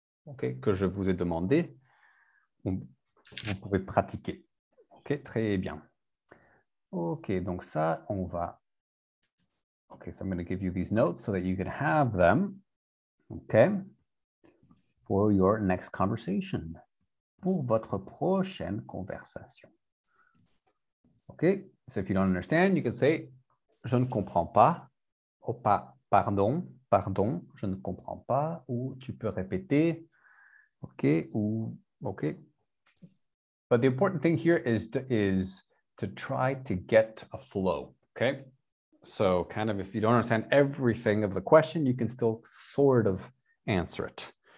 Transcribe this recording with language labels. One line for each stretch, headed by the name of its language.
French: Okay, que je vous ai demandé, vous pouvez pratiquer. OK, très bien. OK, donc ça, on va...
English: OK, so I'm going to give you these notes so that you can have them, OK, for your next conversation,
French: pour votre prochaine conversation.
English: OK, so if you don't understand, you can say,
French: je ne comprends pas. Oh, pas, pardon, pardon, je ne comprends pas. Ou tu peux répéter.
English: OK, ou OK. But the important thing here is to try to get a flow, okay? So kind of if you don't understand everything of the question, you can still sort of answer it.